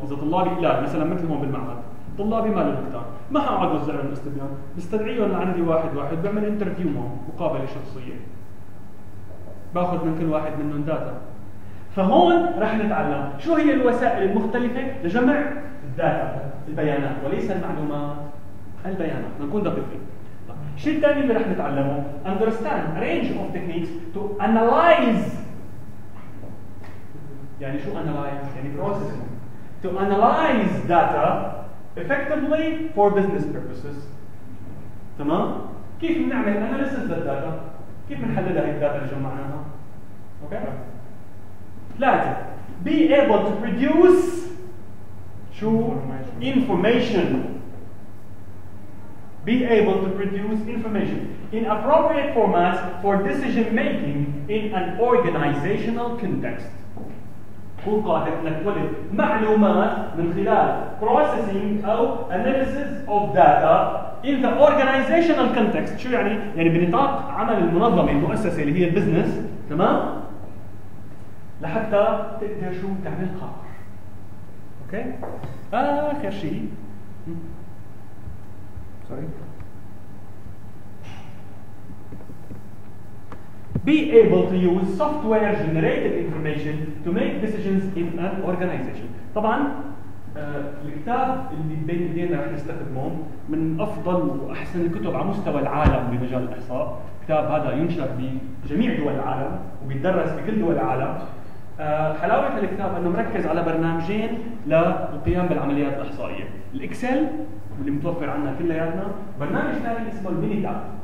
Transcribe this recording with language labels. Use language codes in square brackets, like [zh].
[ar] اذا طلابي لا مثلا مثل هون بالمعهد طلابي ما له دكتور، ما حاقعد وزع لهم استبيان، بستدعيهم لعندي واحد واحد بعمل انترفيو معهم، مقابله شخصيه. باخذ من كل واحد منهم داتا. فهون راح نتعلم شو هي الوسائل المختلفة لجمع الداتا البيانات وليس المعلومات البيانات. نكون دقيقين. شيء ثاني اللي راح نتعلمه [en] understand range of techniques to analyze. [ar] يعني شو [en] analyze؟ [ar] يعني [en] processing to analyze data effectively for business purposes. [ar] تمام؟ كيف نعمل analysis للداتا؟ كيف نحدد هاي الداتا اللي جمعناها؟ أوكي؟ ثلاثة [en] be able to produce [ar] شو information. [en] Be able to produce information in appropriate formats for decision making in an organizational context. [ar] كون قادر انك تولد معلومات من خلال [en] processing او analysis of data in the organizational context. [ar] شو يعني؟ يعني بنطاق عمل المنظمة المؤسسة اللي هي البزنس. تمام؟ لحتى تقدر شو تعمل قرار. اوكي؟ اخر شيء [en] be able to use software generated information to make decisions in an organization. [ar] طبعا الكتاب اللي بين ايدينا رح نستخدمه من افضل واحسن الكتب على مستوى العالم بمجال الاحصاء. الكتاب هذا ينشر بجميع دول العالم وبيدرس بكل دول العالم. حلاوة الكتاب انه مركز على برنامجين للقيام بالعمليات الاحصائيه، الاكسل اللي متوفر عنا كلياتنا، برنامج ثاني اسمه الميني تاب.